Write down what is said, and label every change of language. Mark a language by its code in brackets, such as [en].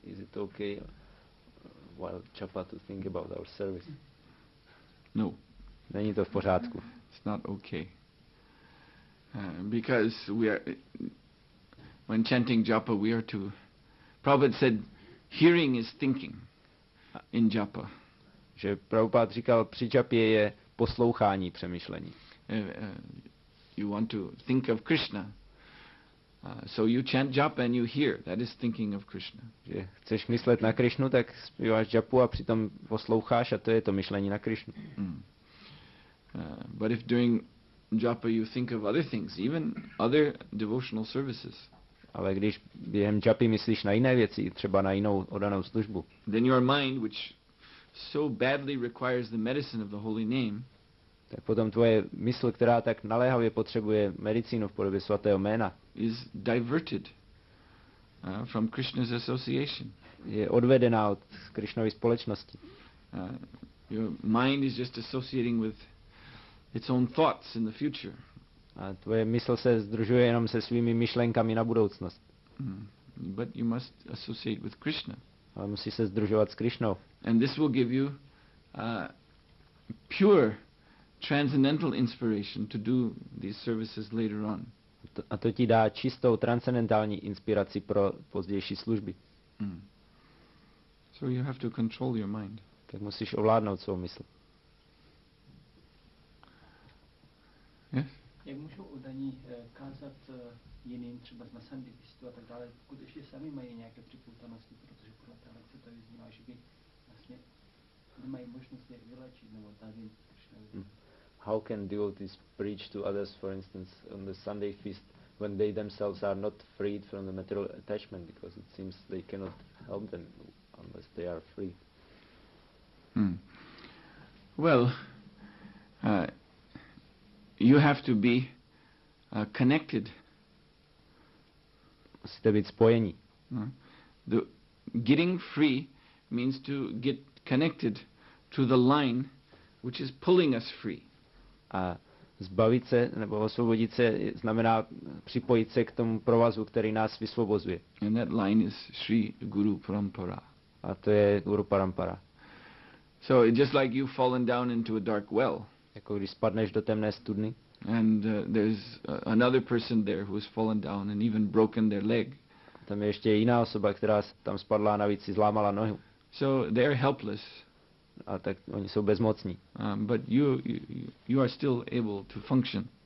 [en] Is it okay while japa to think about our service? No. [cs] Není to v pořádku. [en] It's not okay. Because we are, when chanting japa, we are to, Prabhupada said, hearing is thinking in japa. [cs] Že Prabhupada říkal, při japě je poslouchání přemýšlení. [en] You want to think of Krishna. So you chant japa and you hear. That is thinking of Krishna. [cs] Že chceš myslet na Krishnu, tak zpíváš japu a přitom posloucháš a to je to myšlení na Krishnu. [en] But if during japa you think of other things, even other devotional services. [cs] Ale když během japy myslíš na jiné věci, třeba na jinou oddanou službu. [en] Then your mind, which so badly requires the medicine of the holy name. [cs] Tak potom tvoje mysl, která tak naléhavě potřebuje medicínu v podobě svatého jména, [en] is diverted from Krishna's association. [cs] Je odvedená od Krishnovy společnosti. [en] Your mind is just associating with its own thoughts in the future. [cs] A tvoje mysl se združuje jenom se svými myšlenkami na budoucnost. [en] But you must associate with Krishna. [cs] Ale musí se združovat s Krishnou. [en] And this will give you pure transcendental inspiration to do these services later on. [cs] A to ti dá čistou transcendentální inspiraci pro pozdější služby. [en] So you have to control your mind. [cs] Tak musíš ovládnout svou mysl. Jak můžou oddaní kázat jiným, třeba na sambitistu a tak dále, pokud ještě sami mají nějaké připoutanosti, protože podle té lekce to vyznívá, že by vlastně nemají možnost je vylečit nebo dát jim Krishnovi. [en] How can devotees preach to others, for instance, on the Sunday feast, when they themselves are not freed from the material attachment, because it seems they cannot help them unless they are free? Well, you have to be connected. [cs] Musíte být spojení. [en] The getting free means to get connected to the line which is pulling us free. [cs] A zbavit se nebo osvobodit se znamená připojit se k tomu provazu, který nás vysvobozuje. [en] And that line is Sri Guru Parampara. [cs] A to je Guru Parampara. [en] So it's just like you've fallen down into a dark well. [cs] Jako když spadneš do temné studny. [en] And there's another person there who has fallen down and even broken their leg. [cs] A tam je ještě jiná osoba, která tam spadla a navíc si zlámala nohu. [en] So they're helpless. [cs] A tak oni jsou bezmocní. [en] But you are still able to function.